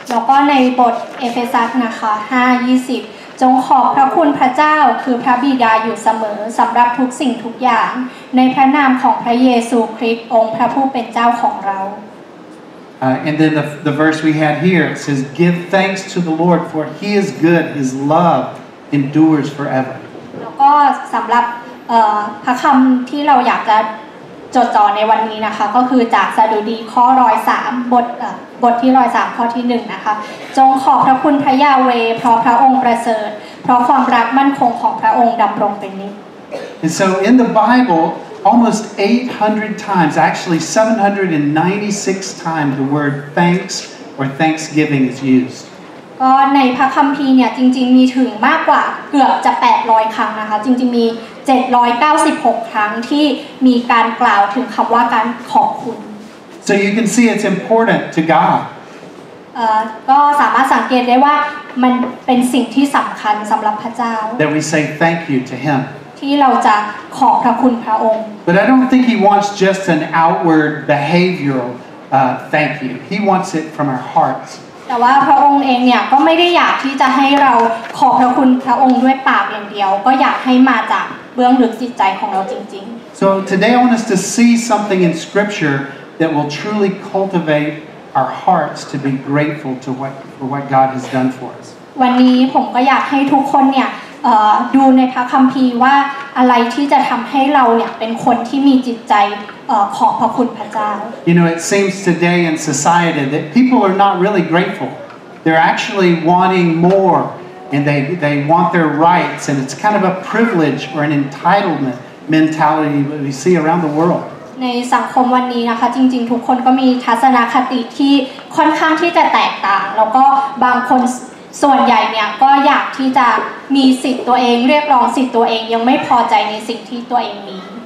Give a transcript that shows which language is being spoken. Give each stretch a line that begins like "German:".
Thai: แล้วก็ในบทเอเฟซัสนะคะ 5:20 จงขอบพระคุณพระเจ้าคือพระบิดาอยู่เสมอสำหรับทุกสิ่งทุกอย่างในพระนามของพระเยซูคริสต์องค์พระผู้เป็นเจ้าของเรา
English: And then the verse we had here it says, "Give thanks to the Lord for He is good; His love." Endures forever.
Thai: แล้วก็สำหรับพระคำที่เราอยากจะจดจ่อในวันนี้นะคะก็คือจากสดุดีข้อ103บทที่103ข้อที่1นะคะจงขอบพระคุณพระยาเวเพราะพระองค์ประเสริฐเพราะความรักมั่นคงของพระองค์ดำรงเป็นนิจ
English: And so in the Bible almost 800 times actually 796 times the word thanks or thanksgiving is used
Thai: ก็ในพระคัมภีร์เนี่ยจริงๆมีถึงมากกว่าเกือบจะ800ครั้งนะคะจริงๆมี796ครั้งที่มีการกล่าวถึงคำว่าการขอบคุณ
English: So you can see it's important to God
Thai: ก็สามารถสังเกตได้ว่ามันเป็นสิ่งที่สำคัญสำหรับพระเจ้า
English: That we say thank you to Him
Thai: ที่เราจะขอบพระคุณพระองค์
English: But I don't think He wants just an outward behavioral thank you He wants it from our hearts
Thai: แต่ว่าพระองค์เองเนี่ยก็ไม่ได้อยากที่จะให้เราขอบพระคุณพระองค์ด้วยปากอย่างเดียวก็อยากให้มาจากเบื้องลึกจิตใจของเราจริงๆ
English: So today I want us to see something in scripture that will truly cultivate our hearts to be grateful to what God has done for us
Thai: วันนี้ผมก็อยากให้ทุกคนเนี่ยดูในพระคัมภีร์ว่า อะไรที่จะทำให้เราเนี่ยเป็นคนที่มีจิตใจขอพระคุณพระเจ้า
English: You know, it seems today in society that people are not really grateful. They're actually wanting more, and they want their rights, and it's kind of a privilege or an entitlement mentality that we see around the world.
Thai: ในสังคมวันนี้นะคะจริงๆทุกคนก็มีทัศนคติที่ค่อนข้างที่จะแตกต่างแล้วก็บางคนส่วนใหญ่เนี่ยก็อยากที่จะมีสิทธิ์ตัวเองเรียกร้องสิทธิ์ตัวเองยังไม่พอใจในสิ่งที่ตัวเองมี